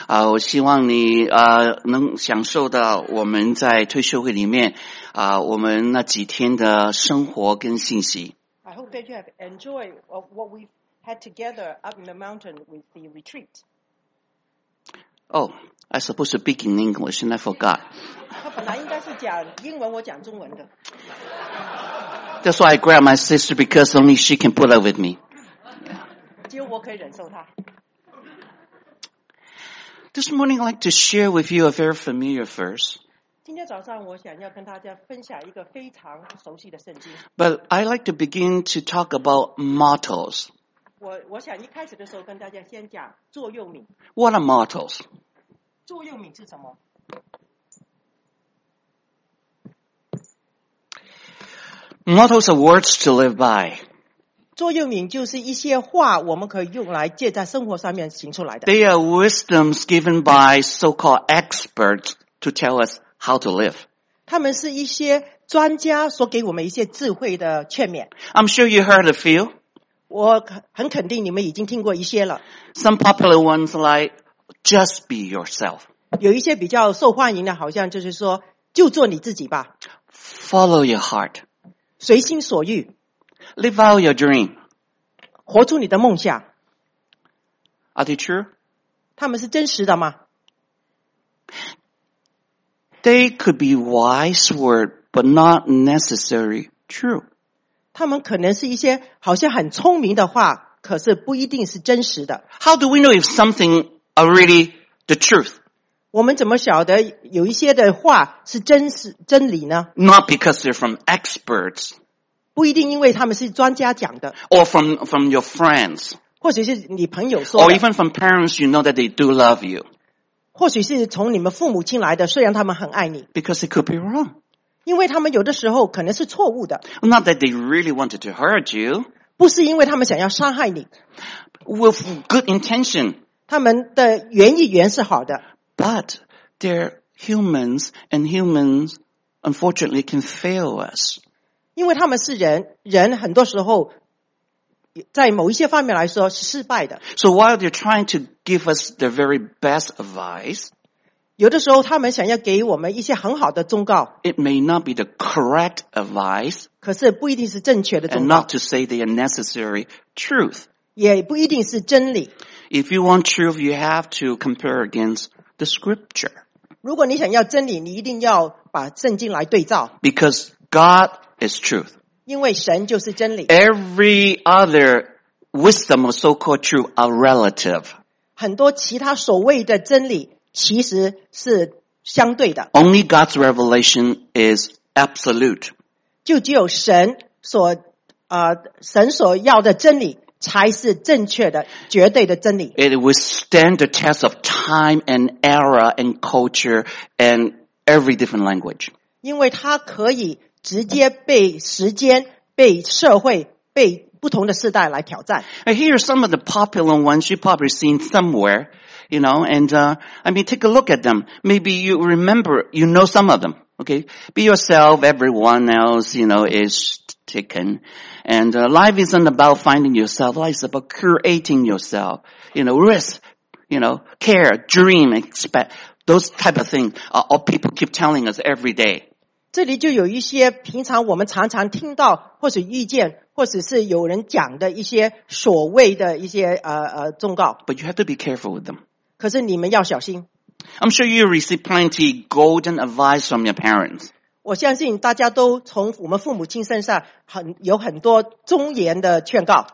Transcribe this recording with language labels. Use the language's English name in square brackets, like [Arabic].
[Chinese] 我希望你能享受到我们在退休会里面我们那几天的生活跟信息。 [English] I hope that you have enjoyed what we had together up in the mountain with the retreat. Oh, I suppose to speak in English, and I forgot. [Chinese] 他本来应该是讲英文，我讲中文的。 [English] That's why I grab my sister because only she can put up with me. [Chinese] 只有我可以忍受她。 [English] This morning, I'd like to share with you a very familiar verse. [Chinese] 今天早上，我想要跟大家分享一个非常熟悉的圣经。 [English] But I'd like to begin to talk about mottos. [Chinese] 我想一开始的时候跟大家先讲座右铭。 [English] What are mottos? [Chinese] 座右铭是什么？ [English] Mottos are words to live by. [Chinese] 座右铭就是一些话我们可以用来借在生活上面行出来的。 [English] They are wisdoms given by so-called experts to tell us how to live. [Chinese] 他们是一些专家所给我们一些智慧的劝勉。 [English] I'm sure you heard a few. [Chinese] 我很肯定你们已经听过一些了。 [English] Some popular ones like, just be yourself. [Chinese] 有一些比较受欢迎的好像就是说就做你自己吧。 [English] Follow your heart. [Chinese] 随心所欲。 [English] Live out your dream. [Chinese] 活出你的梦想。 [English] Are they true? [Chinese] 他们是真实的吗？ [English] They could be wise words, but not necessarily true. [Chinese] 他们可能是一些好像很聪明的话，可是不一定是真实的。 [English] How do we know if something are really the truth? [Chinese] 我们怎么晓得有一些的话是真理呢？ [English] Not because they're from experts. [Chinese] 不一定因为他们是专家讲的。 [English] Or from your friends. [Chinese] 或许是你朋友说的。 [English] Or even from parents, you know that they do love you. [Chinese] 或许是从你们父母亲来的，虽然他们很爱你。 [English] Because it could be wrong. [Chinese] 因为他们有的时候可能是错误的。 [English] Not that they really wanted to hurt you. [Chinese] 不是因为他们想要伤害你。 [English] With good intention. [Chinese] 他们的原意原是好的。 [English] But they're humans, and humans unfortunately can fail us. [Chinese] 因为他们是人，人很多时候在某一些方面来说是失败的。 [English] So while they're trying to give us their very best advice, [Chinese] 有的时候他们想要给我们一些很好的忠告。 [English] It may not be the correct advice. [Chinese] 可是不一定是正确的忠告。 [English] And not to say they are necessary truth. [Chinese] 也不一定是真理。 [English] If you want truth, you have to compare against. The scripture. [Chinese] 如果你想要真理，你一定要把圣经来对照。 [English] Because God is truth. [Chinese] 因为神就是真理。 [English] Every other wisdom or so-called truth are relative. [Chinese] 很多其他所谓的真理其实是相对的。 [English] Only God's revelation is absolute. [Chinese] 就只有神所要的真理。才是正确的，绝对的真理。 [English] It will stand the test of time and era and culture and every different language. [Chinese] 因为它可以直接被时间、被社会、被不同的世代来挑战。 [English] And here are some of the popular ones you've probably seen somewhere, you know, and, I mean, take a look at them. Maybe you remember, you know some of them, okay? Be yourself, everyone else, you know, is... Taken. And life isn't about finding yourself, life is about creating yourself. You know, risk, you know, care, dream, expect, those type of things are all people keep telling us every day. [Chinese] 这里就有一些平常我们常常听到或是遇见或者是有人讲的一些所谓的一些忠告。 [English] But you have to be careful with them. [Chinese] 可是你们要小心。 [English] I'm sure you receive plenty golden advice from your parents. [Chinese] 我相信大家都从我们父母亲身上有很多忠言的劝告。